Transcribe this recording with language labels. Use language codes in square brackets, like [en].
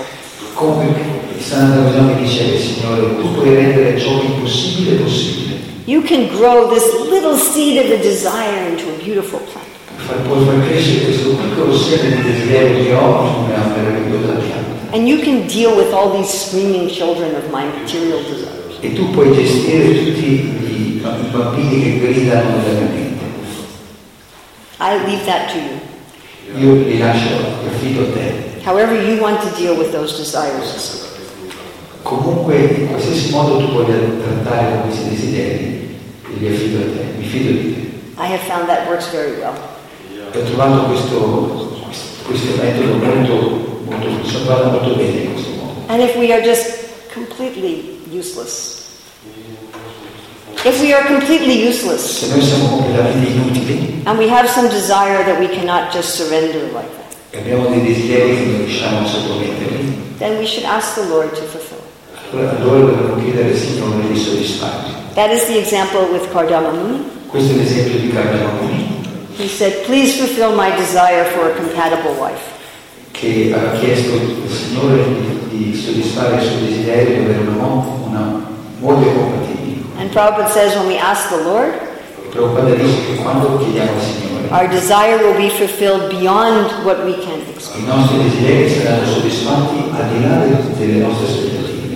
[en] You can grow this little seed of a desire into a beautiful plant. And you can deal with all these screaming children of my material desires. [it] E tu puoi gestire tutti i bambini che gridano della mia mente. [en] I leave that to you. [it] Io li lascio, affido a te. [en] However you want to deal with those desires. [it] Comunque, in qualsiasi modo tu voglia trattare con questi desideri, li affido a te, mi fido di te. [en] I have found that works very well. [it] Ho trovato questo metodo molto funzionale, molto bene in questo modo. [en] And if we are just completely useless. If we are completely useless. [it] Se noi siamo completamente inutili. [en] And we have some desire that we cannot just surrender like that. [it] E abbiamo dei desideri che non riusciamo a sottometterli. [en] Then we should ask the Lord to fulfill. [it] Allora dobbiamo chiedere al Signore di soddisfarci. [en] That is the example with Kardama Muni. [it] Questo è l'esempio di Kardama Muni. [en] He said, please fulfill my desire for a compatible wife. [it] Che ha chiesto al Signore di soddisfare il suo desiderio di avere una moglie compatibile. [en] And Prabhupada says, when we ask the Lord, [it] Prabhupada dice che quando chiediamo al Signore, [en] our desire will be fulfilled beyond what we can expect. [it] I nostri desideri saranno soddisfatti al di là delle nostre aspettative.